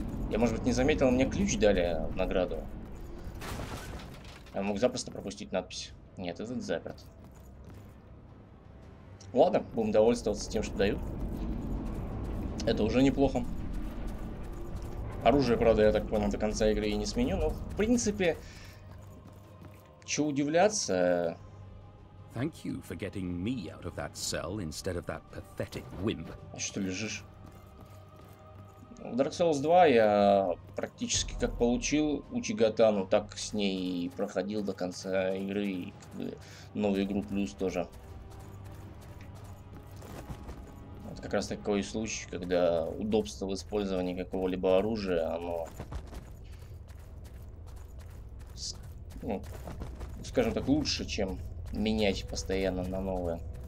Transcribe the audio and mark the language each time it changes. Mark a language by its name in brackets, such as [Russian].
[Russian] Я, может быть, не заметил, мне ключ дали в награду. Я мог запросто пропустить надпись. Нет, этот заперт. Ладно, будем довольствоваться тем, что дают. Это уже неплохо. Оружие, правда, я так понял, до конца игры и не сменю, но, в принципе, чего удивляться. [English] Thank you for getting me out of that cell instead of that pathetic wimp. [Russian] А что лежишь? В Dark Souls 2 я практически как получил Учигатану, так с ней и проходил до конца игры, и как бы новую игру плюс тоже. Как раз такой случай, когда удобство в использовании какого-либо оружия, оно, ну, скажем так, лучше, чем менять постоянно на новое.